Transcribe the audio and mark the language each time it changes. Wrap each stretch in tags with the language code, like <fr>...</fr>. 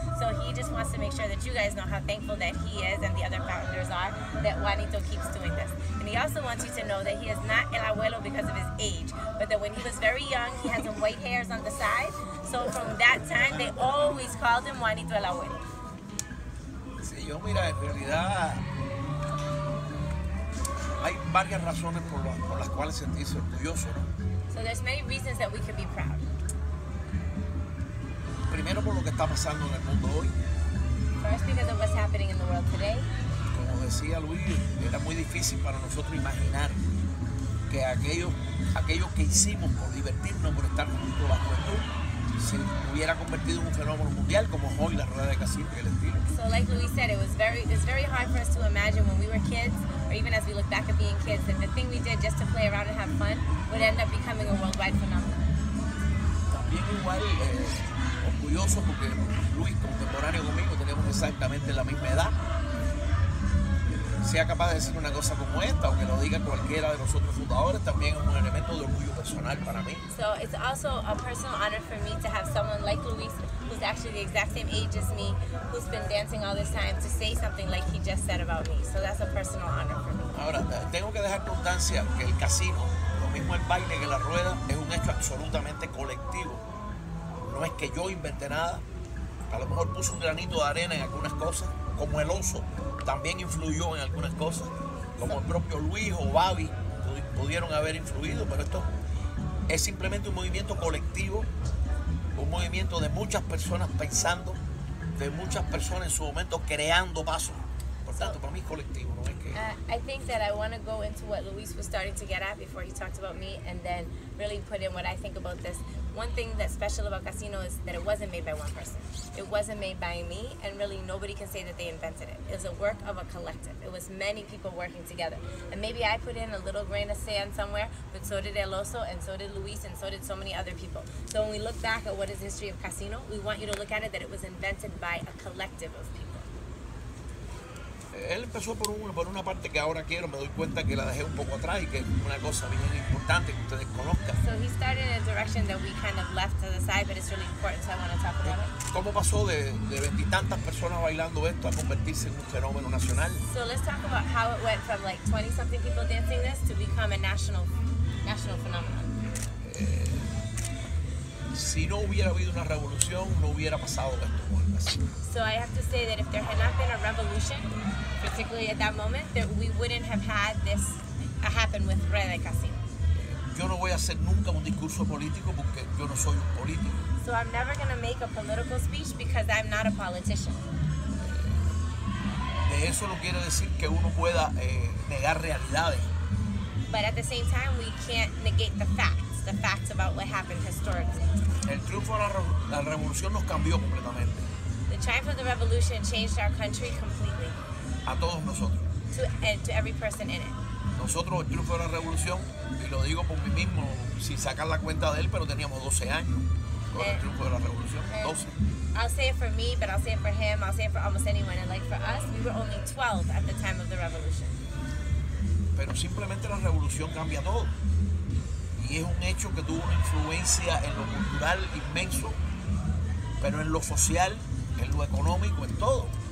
<en>So he just wants to make sure that you guys know how thankful that he is and the other founders are that Juanito keeps doing this. And he also wants you to know that he is not el abuelo because of his age, but that when he was very young, he had some white hairs on the side. So from that time, they always called him Juanito el abuelo.</en> <es>Si yo mira, en realidad, hay varias razones por las cuales sentirse orgulloso, ¿no?</es> <en>So there's many reasons that we can be proud.</en> <es>Primero por lo que está pasando en el mundo hoy.</es> <en>First because of what's happening in the world today.</en> <es>Como decía Luis, era muy difícil para nosotros imaginar que aquellos que hicimos por divertirnos, por estar juntos la juventud, se hubiera convertido en un fenómeno mundial como hoy la rueda de Casino y el estilo.</es> <en>So like Luis said, it's very hard for us to imagine when we were kids, or even as we look back at being kids, that the thing we did just to play around and have fun would end up becoming a worldwide phenomenon.</en> <es>También igual, orgulloso porque Luis, contemporáneo conmigo, tenemos exactamente la misma edad. sea capaz de decir una cosa como esta, o que lo diga cualquiera de nosotros fundadores, también es un elemento de orgullo personal para mí.</es> <en>So it's also a personal honor for me to have someone like Luis, who's actually the exact same age as me, who's been dancing all this time, to say something like he just said about me. So that's a personal honor for me.</en> <es>Ahora, tengo que dejar constancia que el casino, lo mismo el baile que la rueda, es un hecho absolutamente colectivo. No es que yo inventé nada. A lo mejor puse un granito de arena en algunas cosas, como el oso también influyó en algunas cosas, como el propio Luis o Babi pudieron haber influido, pero esto es simplemente un movimiento colectivo, un movimiento de muchas personas pensando, de muchas personas en su momento creando pasos. Por tanto, para mí es colectivo, no es que...</es> <en>I think that I want to go into what Luis was starting to get at before he talked about me, and then really put in what I think about this. One thing that's special about Casino is that it wasn't made by one person. It wasn't made by me, and really nobody can say that they invented it. It was a work of a collective. It was many people working together. And maybe I put in a little grain of sand somewhere, but so did El Oso, and so did Luis, and so did so many other people. So when we look back at what is the history of Casino, we want you to look at it that it was invented by a collective of people.</en> <es>Él empezó por una parte que ahora quiero, me doy cuenta que la dejé un poco atrás y que es una cosa bien importante que ustedes conozcan.</es> <en>So he started in a direction that we kind of left to the side, but it's really important, so I want to talk about it.</en> <es>¿Cómo pasó de 20-something personas bailando esto a convertirse en un fenómeno nacional?</es> <en>So let's talk about how it went from like 20-something people dancing this to become a national phenomenon.</en> <es>Si no hubiera habido una revolución, no hubiera pasado esto.</es> <en>So I have to say that if there had not been a revolution, particularly at that moment, that we wouldn't have had this happen with Rueda y Casino.</en> <es>Yo no voy a hacer nunca un discurso político porque yo no soy un político.</es> <en>So I'm never going to make a political speech because I'm not a politician.</en> <es>De eso no quiere decir que uno pueda negar realidades.</es> <en>But at the same time, we can't negate the facts about what happened historically.</en> <es>El triunfo de la revolución nos cambió completamente.</es> <en>The triumph of the revolution changed our country completely.</en> <es>A todos nosotros.</es> <en>To every person in it.</en> <es>Nosotros, el triunfo de la revolución, y lo digo por mí mismo, sin sacar la cuenta de él, pero teníamos 12 años con el triunfo de la revolución. 12.</es> <en>I'll say it for me, but I'll say it for him, I'll say it for almost anyone. And like for us, we were only 12 at the time of the revolution.</en> <es>Pero simplemente la revolución cambia todo. Y es un hecho que tuvo una influencia en lo cultural inmenso, pero en lo social, en lo económico, en todo.</es>